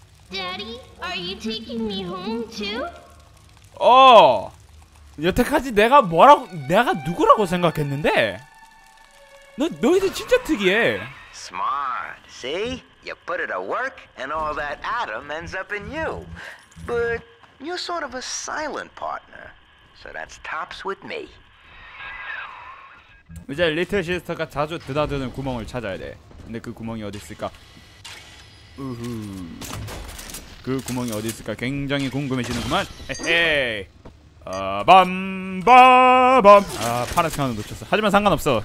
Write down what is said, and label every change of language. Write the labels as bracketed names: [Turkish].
[English] Daddy, are you taking me home too? [Korean] 어! 여태까지 내가 뭐라고, 내가 누구라고 생각했는데? 너희들 진짜 특이해. [English] Smart, see? You put it to work, and all that atom ends up in you. But you're sort of a silent partner, so that's tops with me. [Korean] 이제 리틀 시스터가 자주 드나드는 구멍을 찾아야 돼. 근데 그 구멍이 어디 있을까? 우후. 그 구멍이 어디 있을까? 굉장히 궁금해지는구만. 에헤이. 밤밤밤. 아, 파란색 하나 놓쳤어. 하지만 상관없어.